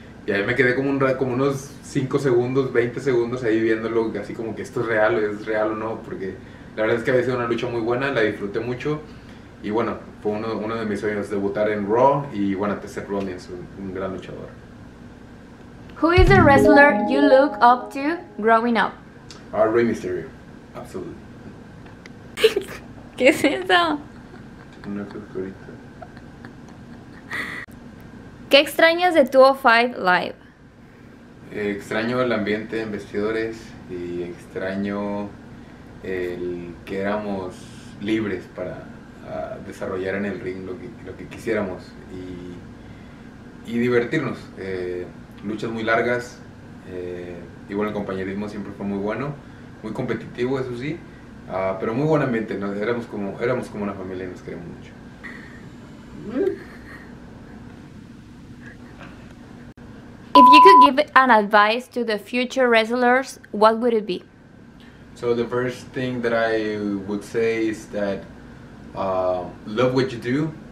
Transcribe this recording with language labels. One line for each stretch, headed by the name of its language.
Spanish: Y ahí me quedé como unos 5 segundos, 20 segundos ahí viéndolo, así como que esto es real o no, porque la verdad es que había sido una lucha muy buena, la disfruté mucho. Y bueno, fue uno de mis sueños debutar en Raw y bueno, ante Seth Rollins, un gran luchador.
English: Who is the wrestler you look up to growing
Spanish: A Rey Mysterio, absolutamente. ¿Qué es eso? Una cucurita. ¿Qué extrañas de 205 Extraño el ambiente en vestidores y extraño el que éramos libres para desarrollar en el ring lo que quisiéramos y divertirnos. Luchas muy largas y bueno, el compañerismo siempre fue muy bueno, muy competitivo, eso sí, pero muy buen ambiente, ¿no? Éramos como una familia y nos queríamos mucho.
English: If you could give an advice to the future wrestlers, what would it be? So the first thing that I would say is that love what you do.